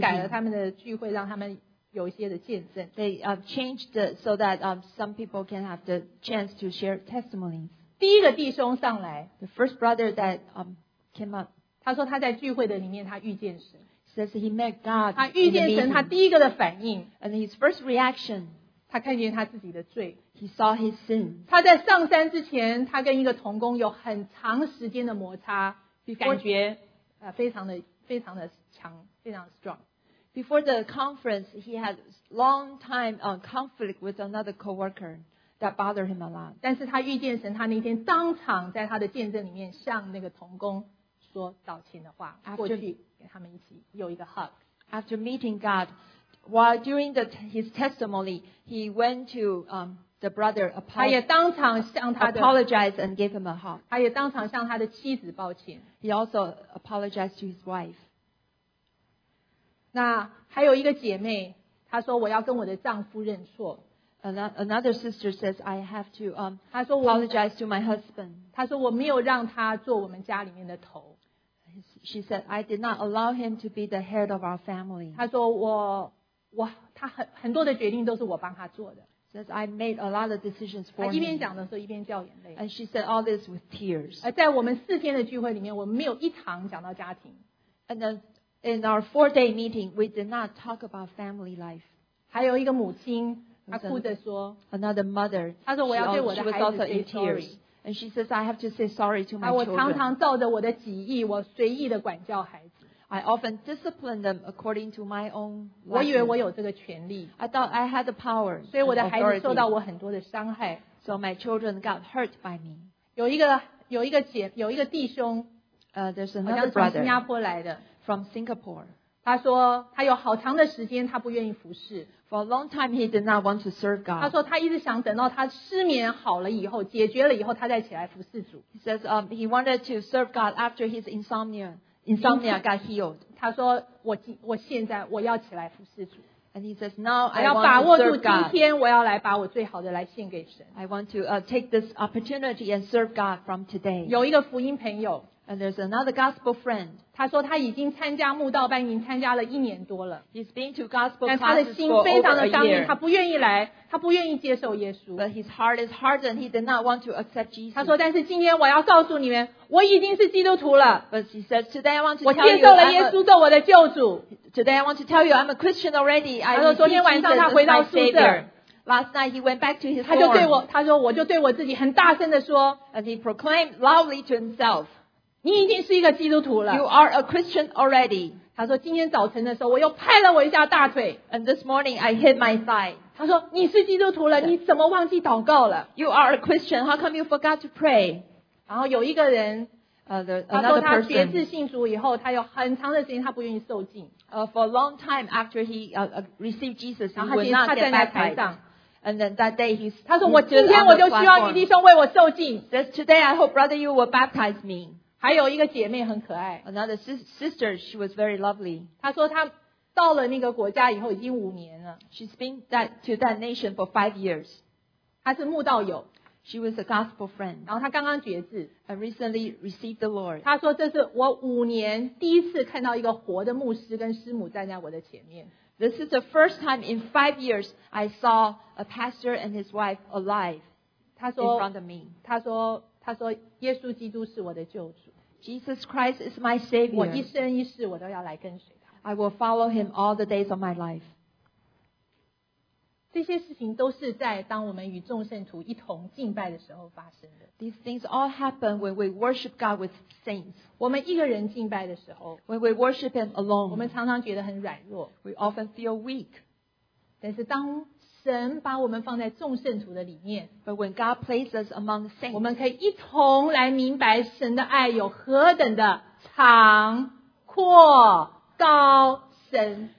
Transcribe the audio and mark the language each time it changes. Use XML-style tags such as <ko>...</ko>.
<zh>改了他们的聚会，让他们有一些的见证。</zh> <en>They changed it so that some people can have the chance to share testimonies.</en> <zh>第一个弟兄上来。</zh> <en>The first brother that came up.</en> <zh>他说他在聚会的里面他遇见神。</zh> <en>Says he met God.</en> <zh>他遇见神他第一个的反应。</zh> <en>And his first reaction.</en> <zh>他看见他自己的罪。</zh> <en>He saw his sin.</en> <zh>他在上山之前他跟一个同工有很长时间的摩擦。</zh> <en>Before,</en> <zh>感觉非常的强非常</zh> <en>strong. Before the conference, he had long time conflict with another co-worker. That bothered him a lot.</en> <zh>但是他遇见神他那天当场在他的见证里面向那个同工说道歉的话</zh> <en>after,</en> <zh>过去给他们一起有一个 hug</zh> <en>after meeting God while during the, his testimony he went to the brother apologize,</en> <zh>他也当场向他的</zh> <en>apologize and gave him a hug</en> <zh>他也当场向他的妻子抱歉</zh> <en>he also apologized to his wife</en> <zh>那还有一个姐妹她说我要跟我的丈夫认错</zh> <en>Another sister says, I have to apologize to my husband.</en> <zh>她说我没有让他做我们家里面的头。</zh> <en>She said, I did not allow him to be the head of our family.</en> <zh>她说他很多的决定都是我帮他做的。</zh> <en>Says, I made a lot of decisions for him.</en> <zh>她一边讲的时候一边掉眼泪。</zh> <en>And she said all this with tears.</en> <zh>在我们四天的聚会里面我们没有一堂讲到家庭。</zh> <en>And then in our four-day meeting, we did not talk about family life.</en> <zh>还有一个母亲他哭着说</zh> <en>Another mother</en> <zh>他说我要对我的孩子</zh> <en>say sorry And she says I have to say sorry to my children</en> <zh>我常常照着我的己意我随意的管教孩子</zh> <en>I often discipline them according to my own</en> <zh>我以为我有这个权利</zh> <en>I thought I had the power</en> <zh>所以我的孩子受到我很多的伤害</zh> <en>So my children got hurt by me</en> <zh>有一个弟兄</zh> <en>There's another brother</en> <zh>好像从新加坡来的</zh> <en>From Singapore</en> <zh>他说他有好长的时间他不愿意服侍</zh> <en>For a long time he did not want to serve God</en> <zh>他说他一直想等到他失眠好了以后解决了以后他再起来服侍主</zh> <en>He says he wanted to serve God after his insomnia got healed</en> <zh>他说我现在我要起来服侍主</zh> <en>And he says now I want to serve God</en> <zh>我要把握住今天我要来把我最好的来献给神</zh> <en>I want to take this opportunity and serve God from today</en> <zh>有一个福音朋友</zh> <en>And there's another gospel friend.</en> <zh>他说他已经参加慕道班，已经参加了一年多了。</zh> <en>He's been to gospel classes for over a year.</en> <zh>但他的心非常的刚硬，他不愿意来，他不愿意接受耶稣。</zh> <en>But his heart is hardened. He did not want to accept Jesus.</en> <zh>他说，但是今天我要告诉你们，我已经是基督徒了。</zh> <en>But he says, today I want to.</en> <zh>我接受了耶稣做我的救主。</zh> <en>Today I want to tell you I'm a Christian already.</en> <zh>他说昨天晚上他回到宿舍。</zh> <en>Last night he went back to his.</en> <zh>他就对我，他说我就对我自己很大声的说。</zh> <en>And he proclaimed loudly to himself.</en> <zh>你已经是一个基督徒了。</zh> <en>You are a Christian already.</en> <zh>他说今天早晨的时候我又拍了我一下大腿。</zh> <en>And this morning I hit my thigh.</en> <zh>他说你是基督徒了，你怎么忘记祷告了？</zh> <en>You are a Christian. How come you forgot to pray?</en> <zh>然后有一个人他说他决志信主以后他有很长的时间他不愿意受浸。</zh> <en>For a long time after he received Jesus, he would not get baptized. And then that day, he's.</en> <zh>他说我今天我就需要你弟兄为我受浸。</zh> <en>That's today, I hope brother you will baptize me.</en> <zh>还有一个姐妹很可爱。</zh> <en>Another sister, she was very lovely.</en> <zh>她说她到了那个国家以后已经五年了。</zh> <en>She's been to that nation for 5 years.</en> <zh>她是慕道友。</zh> <en>She was a gospel friend.</en> <zh>然后她刚刚决志。</zh> <en>And recently received the Lord.</en> <zh>她说这是我五年第一次看到一个活的牧师跟师母站在我的前面。</zh> <en>This is the first time in 5 years I saw a pastor and his wife alive in front of me.</en> <zh>她说耶稣基督是我的救主。</zh> <en>Jesus Christ is my Savior.</en> <zh>我一生一世我都要来跟随他。</zh> <en>I will follow him all the days of my life.</en> <zh>这些事情都是在当我们与众圣徒一同敬拜的时候发生的。</zh> <en>These things all happen when we worship God with saints.</en> <zh>我们一个人敬拜的时候</zh> <en>when we worship him alone.</en> <zh>我们常常觉得很软弱</zh> <en>we often feel weak.</en> <zh>但是当神把我们放在众圣徒的里面</zh> <en>But when God places us among saints,</en> <zh>我们可以一同来明白神的爱有何等的长阔高深</zh>